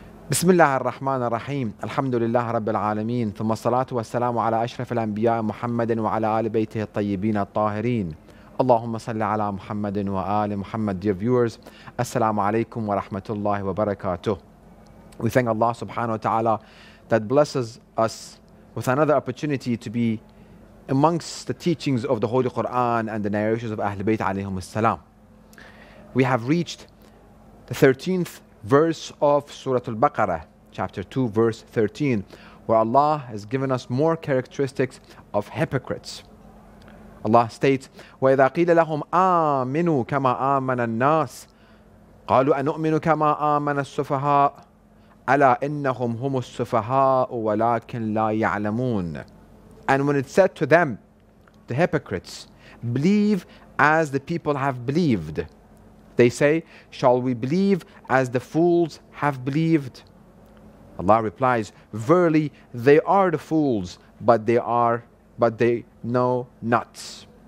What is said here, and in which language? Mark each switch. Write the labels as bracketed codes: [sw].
[ar] بسم الله الرحمن الرحيم الحمد لله رب العالمين ثم الصلاة والسلام على أشرف الأنبياء محمد وعلى آل بيته الطيبين الطاهرين اللهم صل على محمد وآل محمد. [en] Dear viewers, [ar] السلام عليكم ورحمة الله وبركاته. [en] We thank Allah subhanahu wa ta'ala that blesses us with another opportunity to be amongst the teachings of the Holy Quran and the narrations of Ahl Bayt alayhim as-salam. We have reached the 13th verse of Surah Al-Baqarah, chapter 2, verse 13, where Allah has given us more characteristics of hypocrites. [ar] Allah states, وَإِذَا قِيلَ لَهُمْ آمِنُوا كَمَا آمَنَ النَّاسِ قَالُوا أَنُؤْمِنُوا كَمَا آمَنَ السُّفَهَاءُ أَلَا إِنَّهُمْ هُمُ السُّفَهَاءُ وَلَكِنْ لَا يَعْلَمُونَ. [en] And when it's said to them, the hypocrites, believe as the people have believed, they say, shall we believe as the fools have believed? Allah replies, verily, they are the fools, but they know not.